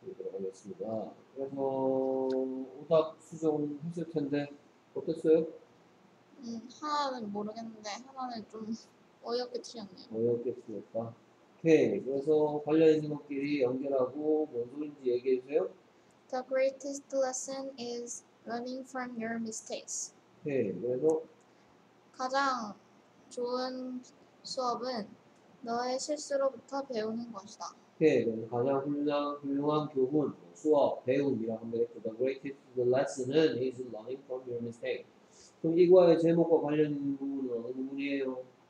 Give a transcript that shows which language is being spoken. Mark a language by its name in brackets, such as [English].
[Korean] 들어가겠습니다. 그래서 오답 수정 했을 텐데 어땠어요? 하나는 모르겠는데 하나는 좀 어이없게 틀렸네요. 어이없게 틀렸다. 오케이. 그래서 관련 인물끼리 연결하고 뭔 소리인지 얘기해 주세요. [English] The greatest lesson is learning from your mistakes. [Korean] 오케이. 그래서 가장 좋은 수업은 너의 실수로부터 배우는 것이다. 오케이. 가장 훌륭한 교훈, 수업, 배움이라고 한번 했고, [English] The greatest lesson is learning from your mistakes. [Korean] 그럼 이거의 제목과 관련된 부분은 어느 부분이에요?